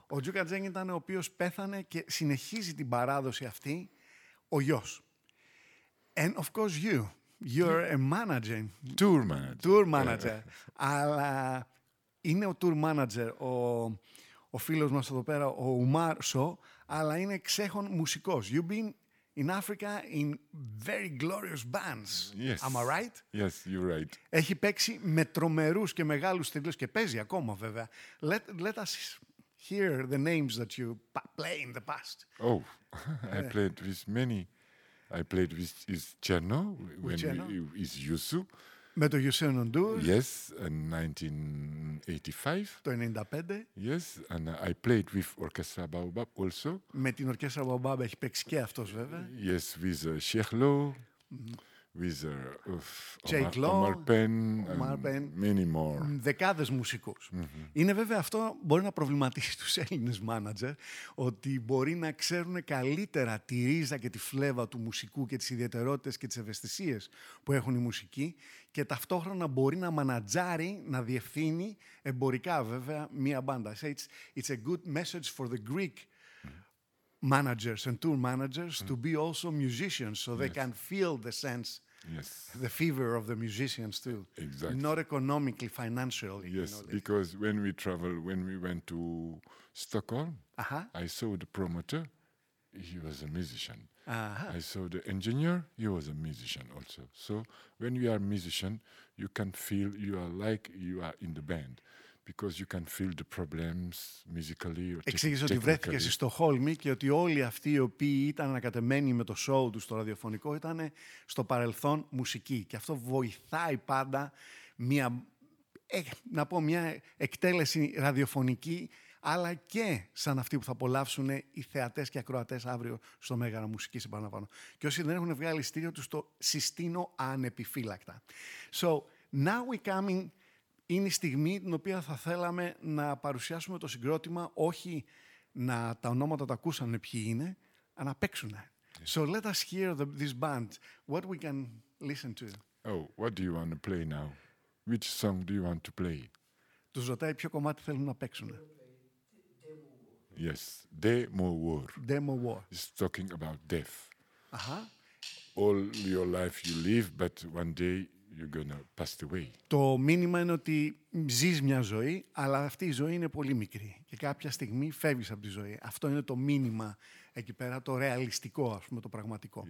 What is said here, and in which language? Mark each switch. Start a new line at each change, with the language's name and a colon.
Greek: Ο Njuga Jeng ήταν ο οποίος πέθανε και συνεχίζει την παράδοση αυτή ο γιος.
English: And of course you. You're a manager. Tour manager. Tour manager.
Greek: Αλλά είναι ο tour manager, ο φίλος μας εδώ πέρα, ο Umar So, αλλά είναι ξέχον μουσικός.
English: You've been in Africa in very glorious bands. Yes. Am I right? Yes, you're right.
Greek: Έχει παίξει με τρομερούς και μεγάλους τίτλους και παίζει ακόμα βέβαια.
English: Let us hear the names that you play in the past. Oh, I played with many. I played with Cherno, with Yusu.
Greek: Με το Yusu Nondou.
English: Yes, in 1985.
Greek: Το 95.
English: Yes, and I played with Orchestra Baobab also.
Greek: Με την Orchestra Baobab έχει παίξει και αυτός βέβαια.
English: Yes, with Shekhlo, with Omar Penn, many more.
Greek: Δεκάδες μουσικούς. Mm-hmm. Είναι βέβαια αυτό μπορεί να προβληματίσει τους Έλληνες μάνατζερ, ότι μπορεί να ξέρουν καλύτερα τη ρίζα και τη φλέβα του μουσικού και τις ιδιαιτερότητες και τις ευαισθησίες που έχουν οι μουσικοί και ταυτόχρονα μπορεί να μανατζάρει, να διευθύνει εμπορικά βέβαια μία μπάντα.
English: It's a good message for the Greek managers and tour managers to be also musicians so they can feel the sense, the fever of the musicians too. Exactly. Not economically, financially. Yes, you know, because when we traveled, when we went to Stockholm, I saw the promoter, he was a musician. I saw the engineer, he was a musician also. So when you are a musician, you can feel you are like you are in the band. Because you can feel the problems musically or
Greek: Εξήγησε ότι βρέθηκε στη Στοχόλμη και ότι όλοι αυτοί οι οποίοι ήταν ανακατεμένοι με το show του στο ραδιοφωνικό ήταν στο παρελθόν μουσική. Και αυτό βοηθάει πάντα μια, να πω, μια εκτέλεση ραδιοφωνική, αλλά και σαν αυτή που θα απολαύσουν οι θεατές και ακροατές αύριο στο Μέγαρο Μουσικής, επαναλαμβάνω. Και όσοι δεν έχουν βγάλει εισιτήριο τους, το συστήνω ανεπιφύλακτα.
English: So, now we're coming.
Greek: Είναι η στιγμή την οποία θα θέλαμε να παρουσιάσουμε το συγκρότημα, όχι να τα ονόματα τα ακούσαν ποιοι είναι, αλλά να παίξουνε.
English: Yes. So let us hear this band. What we can listen to? Oh, what do you want to play now? Which song do you want to play?
Greek: Τους ρωτάει ποιο κομμάτι θέλουν να παίξουνε.
English: Yes, Demo War. Demo War. It's talking about death. Uh-huh. All your life you live, but one day you're gonna pass away.
Greek: Το μήνυμα είναι ότι ζεις μια ζωή, αλλά αυτή η ζωή είναι πολύ μικρή και κάποια στιγμή φεύγεις από τη ζωή. Αυτό είναι το μήνυμα εκεί πέρα, το ρεαλιστικό, ας πούμε, το πραγματικό.